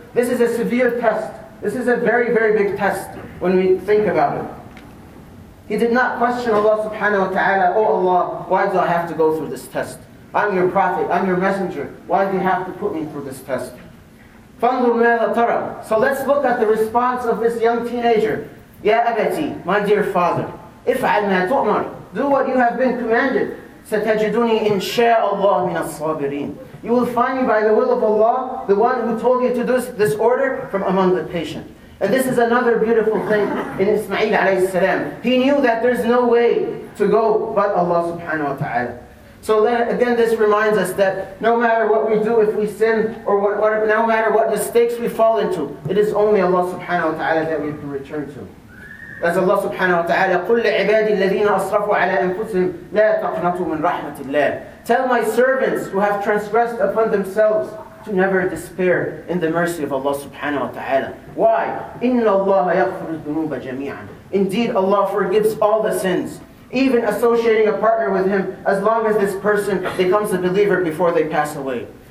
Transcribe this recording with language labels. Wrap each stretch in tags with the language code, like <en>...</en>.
<en>This is a severe test. This is a very, very big test when we think about it. He did not question Allah subhanahu wa ta'ala, oh Allah, why do I have to go through this test? I'm your prophet, I'm your messenger. Why do you have to put me through this test?</en> <ar>فَانْظُرْ مَاذَا تَرَى.</ar> <en>So let's look at the response of this young teenager.</en> <ar>يَا أَبَتِي,</ar> <en>my dear father,</en> <ar>اِفْعَلْ مَا تُؤْمَرْ.</ar> <en>Do what you have been commanded.</en> <ar>سَتَجِدُونِي إِنْ شَاءَ اللَّهُ مِنَ الصَّابِرِينَ.</ar> <en>You will find me by the will of Allah, the one who told you to do this order from among the patient. And this is another beautiful thing in Ismail alayhi salam. He knew that there's no way to go but Allah subhanahu wa ta'ala. So then, again, this reminds us that no matter what we do, if we sin, or no matter what mistakes we fall into, it is only Allah subhanahu wa ta'ala that we can return to. As Allah subhanahu wa ta'ala,</en> <ar>قُلْ لِعِبَادِ الَّذِينَ أَصْرَفُوا عَلَىٰ أَنفُسِهِمْ لَا تَقْنَطُوا مِنْ رَحْمَةِ اللَّهِ.</ar> <en>Tell my servants who have transgressed upon themselves to never despair in the mercy of Allah subhanahu wa ta'ala. Why?</en> <ar>إِنَّ اللَّهَ يَغْفِرُ الذُّنُوبَ جَمِيعًا.</ar> <en>Indeed, Allah forgives all the sins. Even associating a partner with him as long as this person becomes a believer before they pass away.</en>